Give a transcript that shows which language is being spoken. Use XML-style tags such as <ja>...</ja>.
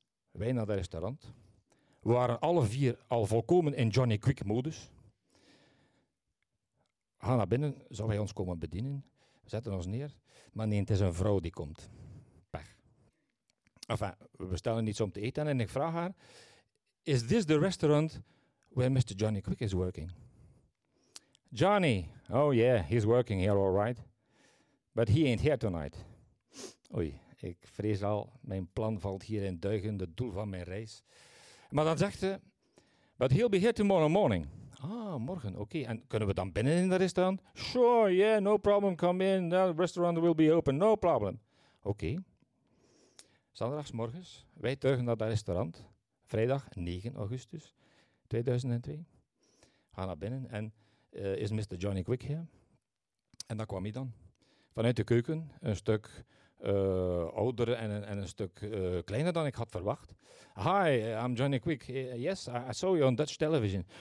<nl>Wij naar het restaurant. We waren alle 4 al volkomen in Johnny Quick modus. We gaan naar binnen, zou hij ons komen bedienen. We zetten ons neer. Maar nee, het is een vrouw die komt. Pech. Enfin, we bestellen iets om te eten en ik vraag haar:</nl> <en>is this the restaurant where Mr. Johnny Quick is working? Johnny, oh yeah, he's working here all right. But he ain't here tonight.</en> <nl>Oei, ik vrees al, mijn plan valt hier in duigen, het doel van mijn reis. Maar dan zegt ze,</nl> <en>but he'll be here tomorrow morning.</en> <nl>Ah, morgen, oké. Okay. En kunnen we dan binnen in de restaurant?</nl> <en>Sure, yeah, no problem, come in. The restaurant will be open, no problem.</en> <nl>Oké. Okay. Zaterdagsmorgens, wij tuigen naar dat restaurant. Vrijdag 9 augustus 2002. Gaan naar binnen en is Mr. Johnny Quick hier? En daar kwam hij dan. Vanuit de keuken, een stuk ouder en een stuk kleiner dan ik had verwacht.</nl> <en>Hi, I'm Johnny Quick. Yes, I saw you on Dutch television.</en>